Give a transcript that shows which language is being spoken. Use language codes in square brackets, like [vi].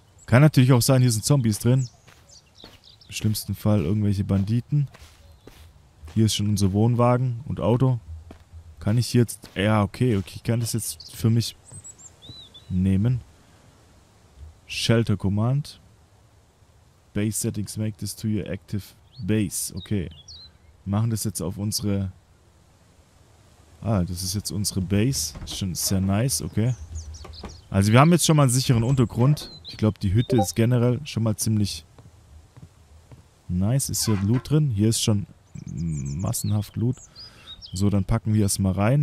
[de] Kann natürlich auch sein, hier sind Zombies drin. Im schlimmsten Fall irgendwelche Banditen. Hier ist schon unser Wohnwagen und Auto. Kann ich jetzt... Ja, okay, okay. Ich kann das jetzt für mich nehmen. [en] Shelter Command. Base Settings make this to your active base. Okay. [de] Machen das jetzt auf unsere... Ah, das ist jetzt unsere Base. Ist schon sehr nice, okay. Also wir haben jetzt schon mal einen sicheren Untergrund. Ich glaube, die Hütte ist generell schon mal ziemlich nice. Ist hier Loot drin? Hier ist schon massenhaft Loot. So, dann packen wir erstmal rein.